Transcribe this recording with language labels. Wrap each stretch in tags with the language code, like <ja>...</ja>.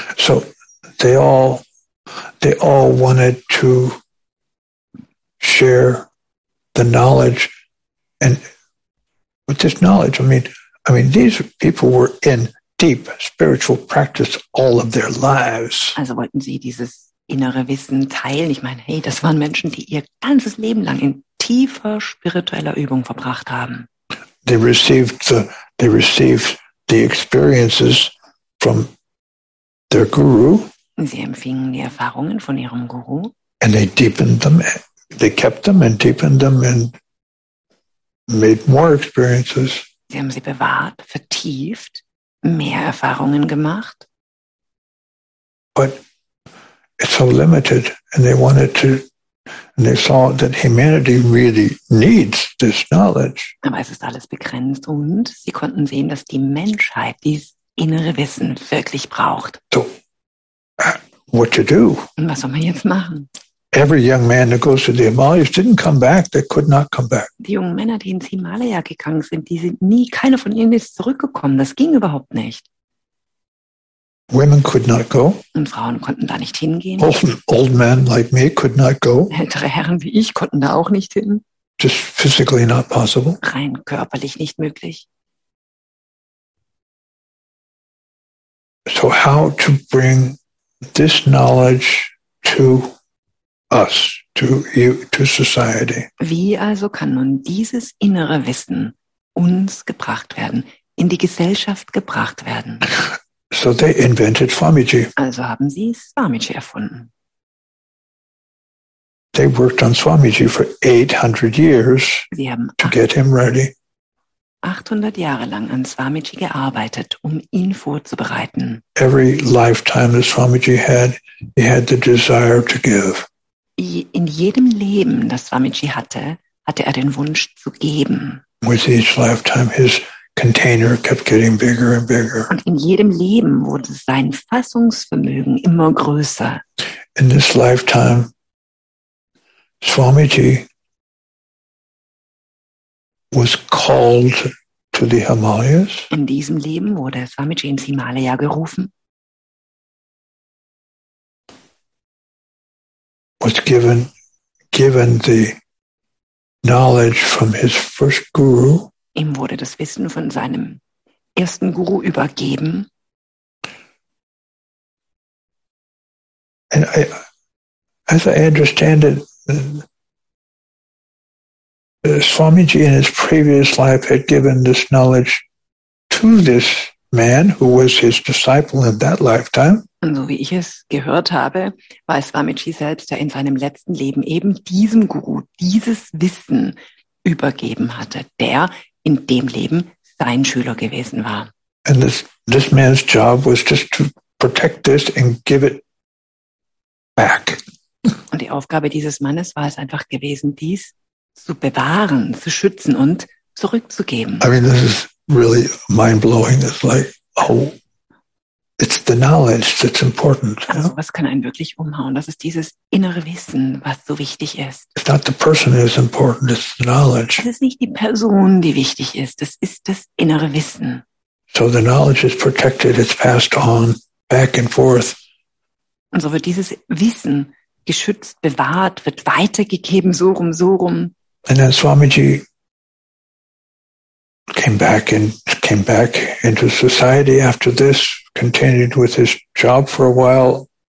<en>So they all wanted to share the knowledge, and with this knowledge. I mean, these people were in deep spiritual practice all of their lives.</en> <de>Also wollten sie dieses innere Wissen teilen. Ich meine, hey, das waren Menschen, die ihr ganzes Leben lang in tiefer spiritueller Übung verbracht haben.</de> <en>They received the experiences from their guru.</en> <de>Sie empfingen die Erfahrungen von ihrem Guru.</de> <en>And they deepened them. They kept them and deepened them and made more experiences.</en> <de>Sie haben sie bewahrt, vertieft, mehr Erfahrungen gemacht.</de> <en>But it's so limited, and they wanted to, and they saw that humanity really needs this knowledge.</en> <de>Aber es ist alles begrenzt, und sie konnten sehen, dass die Menschheit dieses innere Wissen wirklich braucht.</de> <en>So, what to do?</en> <de>Und was soll man jetzt machen?</de> <en>Every young man that goes to the Himalayas didn't come back. They could not come back.</en> <de>Die jungen Männer, die ins Himalaya gegangen sind, die sind nie, keiner von ihnen ist zurückgekommen. Das ging überhaupt nicht.</de> <en>Women could not go.</en> <de>Und Frauen konnten da nicht hingehen.</de> <en>Old men like me could not go.</en> <de>Ältere Herren wie ich konnten da auch nicht hin.</de> <en>Just physically not possible.</en> <de>Rein körperlich nicht möglich.</de> <en>So how to bring this knowledge to us, to you, to society.</en> <de>Wie also kann nun dieses innere Wissen uns gebracht werden, in die Gesellschaft gebracht werden?</de> <en>So they invented Swamiji.</en> <de>Also haben sie Swamiji erfunden.</de> <en>They worked on Swamiji for 800 years to get him ready.</en> <de>800 Jahre lang an Swamiji gearbeitet, um ihn vorzubereiten.</de> <en>Every lifetime that Swamiji had, he had the desire to give.</en> <de>In jedem Leben, das Swamiji hatte, hatte er den Wunsch zu geben.</de> <en>With each lifetime, his container kept getting bigger and bigger.</en> <de>Und in jedem Leben wurde sein Fassungsvermögen immer größer.</de> <en>In this lifetime, Swamiji was called to the Himalayas.</en> <de>In diesem Leben wurde Swamiji ins Himalaya gerufen.</de> <en>Was given the knowledge from his first guru.</en> <de>Ihm wurde das Wissen von seinem ersten Guru übergeben.</de> <en>And I, as I understand it, Swamiji in his previous life had given this knowledge to this man who was his disciple in that lifetime.</en> <de>Und so wie ich es gehört habe, war es Swamiji selbst, der in seinem letzten Leben eben diesem Guru dieses Wissen übergeben hatte, der in dem Leben sein Schüler gewesen war.</de> <en>And this man's job was just to protect this and give it back.</en> <de>Und die Aufgabe dieses Mannes war es einfach gewesen, dies zu bewahren, zu schützen und zurückzugeben.</de> <en>I mean, this is really mind-blowing. It's like, oh, it's the knowledge that's important.</en> <de>Also, was kann einen wirklich umhauen? Das ist dieses innere Wissen, was so wichtig ist.</de> <en>It's not the person that is important, it's the knowledge.</en> <de>Es ist nicht die Person, die wichtig ist. Es ist das innere Wissen.</de> <en>So the knowledge is protected, it's passed on, back and forth.</en> <de>Und so wird dieses Wissen geschützt, bewahrt, wird weitergegeben, so rum, so rum.</de> <en>And then Swamiji came back into society after this, continued with his job for a while.</en>